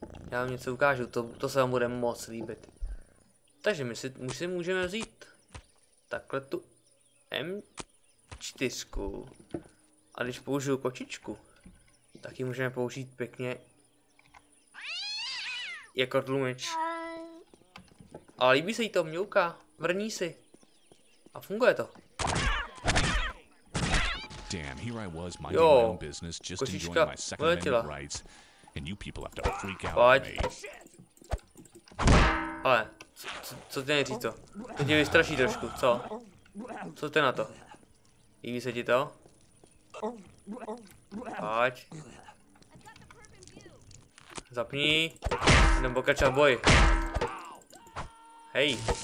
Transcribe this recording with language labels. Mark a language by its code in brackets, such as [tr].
[cs] Já vám něco ukážu, to se vám bude moc líbit. Takže my si můžeme vzít takhle tu M4. A když použiju kočičku, tak ji můžeme použít pěkně jako tlumič. A líbí se jí to, mňouka, vrní si. A funguje to. [en] Damn, here I was minding my own business, just enjoying my second amendment rights, and you people have to freak out on me. [cs] Ale, co ty neříš to? To tě vystraší trošku, co? Co ty na to? Líbí se ti to? Pojď. Zapni. Jdem pokračovat v boji. Hej.